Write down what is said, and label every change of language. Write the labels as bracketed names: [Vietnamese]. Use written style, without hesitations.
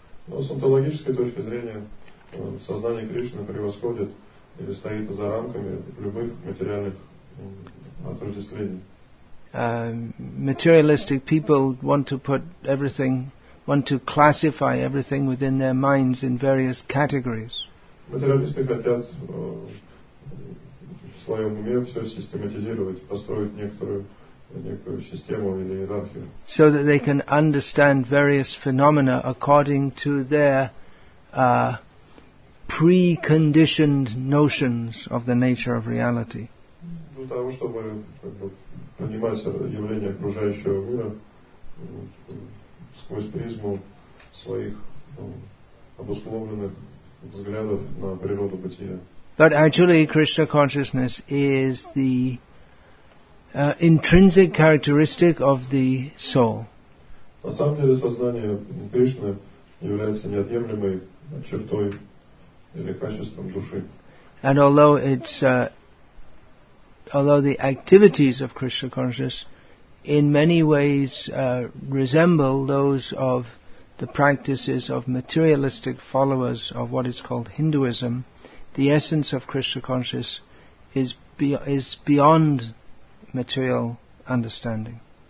[Russian] С онтологической точки зрения, сознание Кришны превосходит или стоит за рамками любых материальных отождествлений. [English] Materialistic people want to put everything. Want to classify everything within their minds in various categories. [Russian] Материалисты хотят в своем уме все систематизировать, построить некую систему или иерархию. [English] So that they can understand various phenomena according to their preconditioned notions of the nature of reality. [Russian] Для того, чтобы понимать явления окружающего мира. Сквозь призму своих обусловленных взглядов на природу бытия. [English] But actually, Krishna consciousness is the intrinsic characteristic of the soul. [Russian] На самом деле, сознание Кришны является неотъемлемой чертой или качеством души. [English] And although it's although the activities of Krishna consciousness in many ways resemble those of the practices of materialistic followers of what is called Hinduism, the essence of Krishna consciousness is beyond material understanding.